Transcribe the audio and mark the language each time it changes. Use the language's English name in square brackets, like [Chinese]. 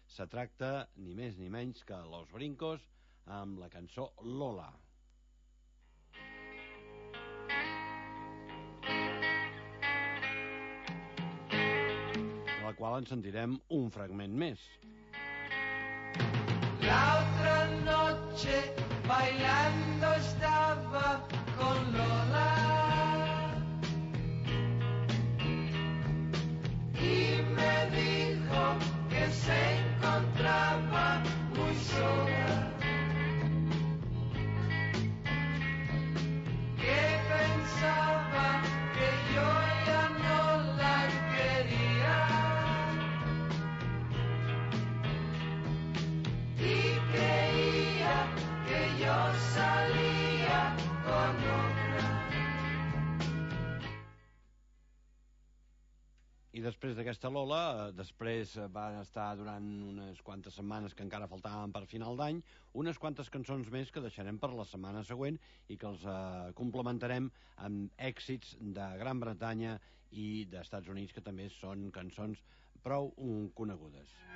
[Catalan] Se tracta ni més ni menys que Los Brincos amb la cançó Lola. La qual en sentirem un fragment més. [Spanish] L'altra noche bailando estaba con Lola y me dijo que se encontraba muy sola, que pensaba que yo ya no la quería y creía que yo salía con otra. [Catalan] I després d'aquesta Lola, després va estar durant unes quantes setmanes que encara faltaven per final d'any, unes quantes cançons més que deixarem per la setmana següent i que els complementarem amb èxits de Gran Bretanya i d'Estats Units, que també són cançons prou conegudes.